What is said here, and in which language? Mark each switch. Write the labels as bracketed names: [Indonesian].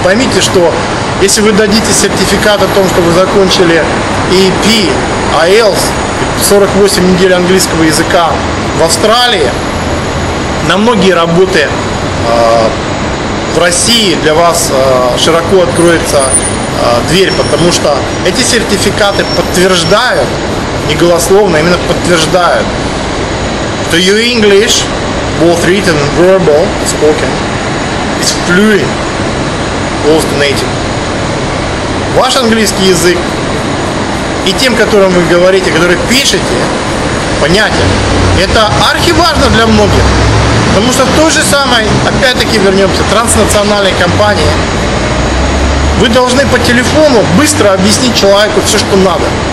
[Russian] Поймите, что если вы дадите сертификат о том, что вы закончили AP, IELTS, 48 недель английского языка в Австралии, на многие работы в России для вас широко откроется дверь, потому что эти сертификаты подтверждают, не голословно, а именно подтверждают, [English] Do you English, both written and verbal, spoken, is fluent, close to native? [Russian] Ваш английский язык и тем, которым вы говорите, который пишете, понятен. Это архиважно для многих. Потому что в той же самой, опять-таки вернемся, транснациональной компании, вы должны по телефону быстро объяснить человеку все, что надо.